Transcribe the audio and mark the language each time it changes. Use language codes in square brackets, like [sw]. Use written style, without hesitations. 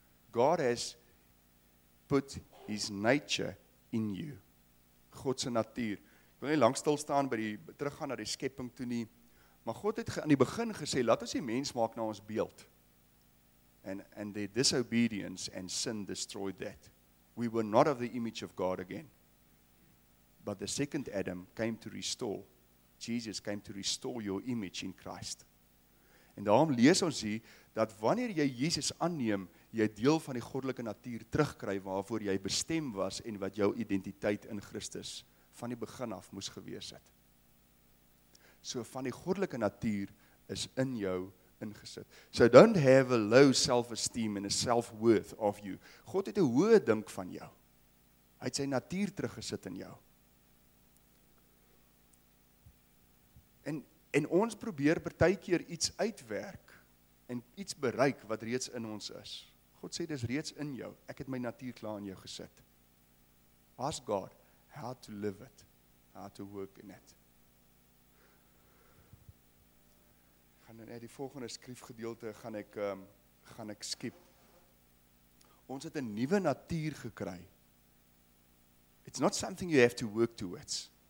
[en] God has put his nature in you. [af] God se natuur. Ek wil nie lank stil staan by die teruggaan na die skepping toe nie. Maar God het aan die begin gesê, laat ons die mens maak na ons beeld. [en] And their disobedience and sin destroyed that. We were not of the image of God again. But the second Adam came to restore. Jesus came to restore your image in Christ. [af] En daarom lees ons hier, dat wanneer jy Jesus aanneem, jy deel van die goddelike natuur terugkry waarvoor jy bestem was en wat jou identiteit in Christus van die begin af moes gewees het. So van die goddelike natuur is in jou ingesit. [en] So don't have a low self-esteem and a self-worth of you. [af] God het 'n hoë dink van jou. Hy het sy natuur teruggesit in jou. En ons probeer partykeer iets uitwerk en iets bereik wat reeds in ons is. God sê, dis reeds in jou. Ek het my natuur klaar in jou gesit. [en] Ask God how to live it, how to work in it. [af] Gaan dan uit die volgende skrifgedeelte, gaan ek skip. Ons het 'n nuwe natuur gekry. [en] It's not something you have to work towards.